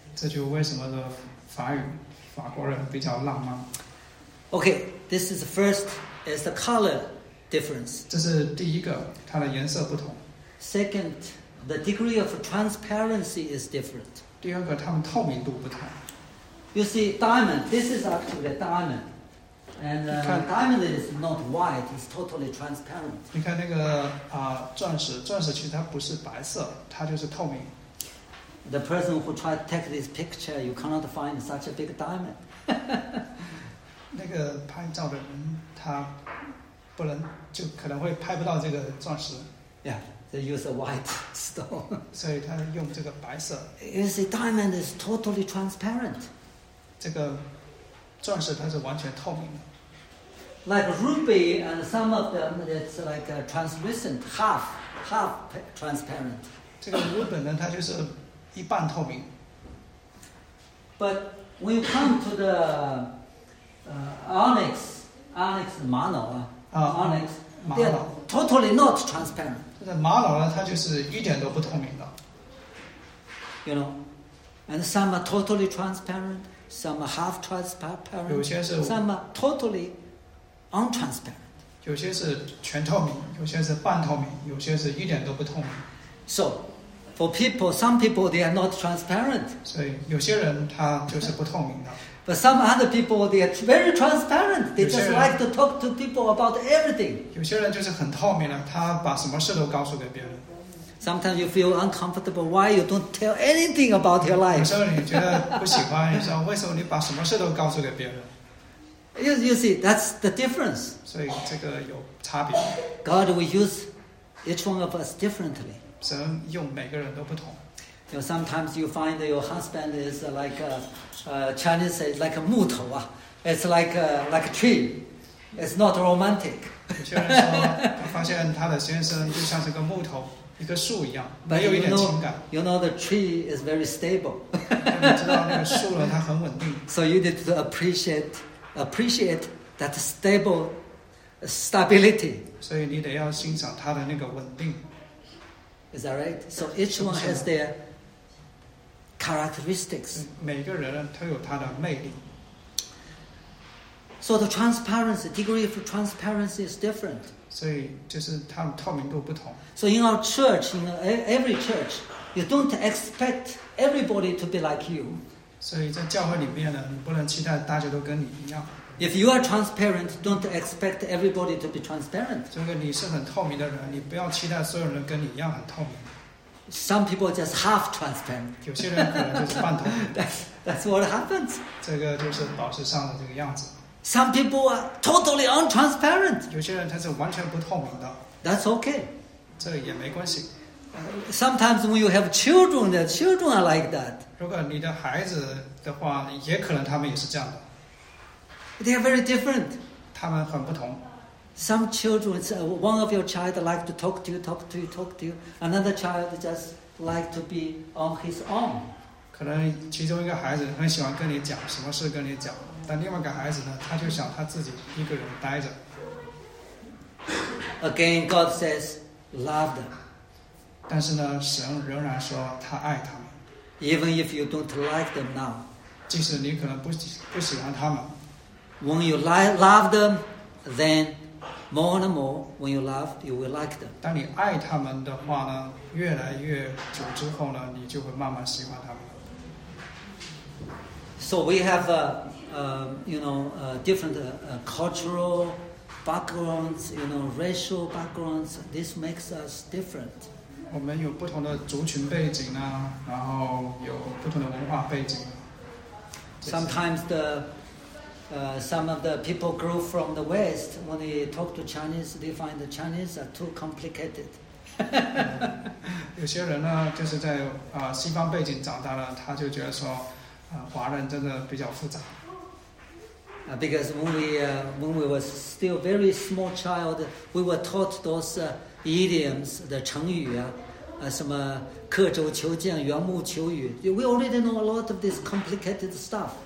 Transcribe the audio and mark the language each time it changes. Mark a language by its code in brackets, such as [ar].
[zh] 这就为什么的法语，法国人比较浪漫。 [en] Okay, this is the first, is the color difference. [zh] 这是第一个，它的颜色不同。 [en] Second, the degree of transparency is different. [zh] 第二个，它们透明度不同。 [en] You see, diamond, this is actually a diamond. And diamond is not white, it's totally transparent. [zh] 你看那个钻石其实它不是白色，它就是透明。 [en] The person who tried to take this picture, you cannot find such a big diamond. [zh] 那个拍照的人，他不能，就可能会拍不到这个钻石。 [en] Yeah. They use a white stone. [zh] 所以他用这个白色。 [en] You see, diamond is totally transparent. [zh] 这个钻石它是完全透明的。 [en] Like ruby and some of them, it's like a translucent, half transparent. [zh] 这个 ruby 呢，它就是一半透明。 [en] But when you come to the onyx mono, onyx, they are totally not transparent. [zh] 那玛瑙呢？它就是一点都不透明的。 [en] You know, and some are totally transparent, some are half transparent. [zh] 有些是 [en] some are totally untransparent. [zh] 有些是全透明，有些是半透明，有些是一点都不透明。 [en] So, for people, some people they are not transparent. [zh] 所以有些人他就是不透明的。 [en] But some other people they are very transparent. They just like to talk to people about everything. [zh] 有些人就是很透明了，他把什么事都告诉给别人。 [en] Sometimes you feel uncomfortable. Why you don't tell anything about your life? [zh] 有时候你觉得不喜欢，你说为什么你把什么事都告诉给别人 [en] You see, that's the difference. [zh] 所以这个有差别。 [en] God will use each one of us differently. [zh] 神用每个人都不同。 [en] You know, sometimes you find that your husband is like a, Chinese say, like a [zh] 木头啊。 [en] It's like a tree. It's not romantic. [zh] 有些人说，他发现他的先生就像是个木头，一个树一样，没有一点情感。 [en] You know the tree is very stable. [zh] 你知道那个树呢，它很稳定。 [en] So you need to appreciate that stable stability. [zh] 所以你得要欣赏它的那个稳定。 [en] Is that right? So each one has their characteristics. [zh] 每个人都有他的魅力。 [en] So the transparency, degree of transparency is different. [zh] 所以就是它的透明度不同。 [en] So in our church, in every church, you don't expect everybody to be like you. [zh] 所以在教会里面呢，你不能期待大家都跟你一样。 [en] If you are transparent, don't expect everybody to be transparent. [zh] 如果你是很透明的人，你不要期待所有人跟你一样很透明。 [en] Some people are just half transparent. [zh] 有些人可能就是半透明。 [en] That's what happens. [zh] 这个就是导师上的这个样子。 [en] Some people are totally untransparent. [zh] 有些人他是完全不透明的。 [en] That's okay. [zh] 这也没关系。 [en] Sometimes when you have children, the children are like that. [zh] 如果你的孩子的话，也可能他们也是这样的。 [en] They are very different. [zh] 他们很不同。 [en] Some children, one of your child like to talk to you. Another child just like to be on his own. [zh] 可能其中一个孩子很喜欢跟你讲什么事跟你讲。但另外一个孩子呢，他就想他自己一个人待着。 [en] Again, God says, love them. [zh] 但是呢，神仍然说他爱他们。 [en] Even if you don't like them now. [zh] 即使你可能不喜欢他们。 [en] When you love them, then more and more, when you love, you will like them. [zh] 当你爱他们的话呢，越来越久之后呢，你就会慢慢喜欢他们。 [en] So we have a, you know, different cultural backgrounds, you know, racial backgrounds. This makes us different. [zh] 我们有不同的族群背景啊，然后有不同的文化背景。 [en] Sometimes the, some of the people grew from the West. When they talk to Chinese, they find the Chinese are too complicated. [zh] 有些人呢，就是在西方背景长大了，他就觉得说。华人真的比较复杂。 [en] Because when we was still very small child, we were taught those idioms, the [zh] 成语啊，什么刻舟求剑、缘木求鱼。 [en] We already know a lot of this complicated stuff.